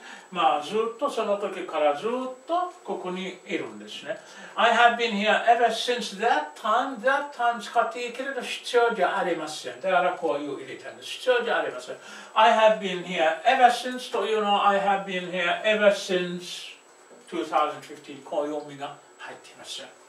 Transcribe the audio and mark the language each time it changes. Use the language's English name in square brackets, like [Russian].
[Japanese] まあ、ずっとその時からずっとここにいるんですね。 [English] I have been here ever since that time. [Japanese] That time 使っていけると必要じゃありません。だからこういう入れたんです。必要じゃありません。 [English] I have been here ever since. [Japanese] というのは、 [English] I have been here ever since 2015. [Japanese] こういう意味が入っています。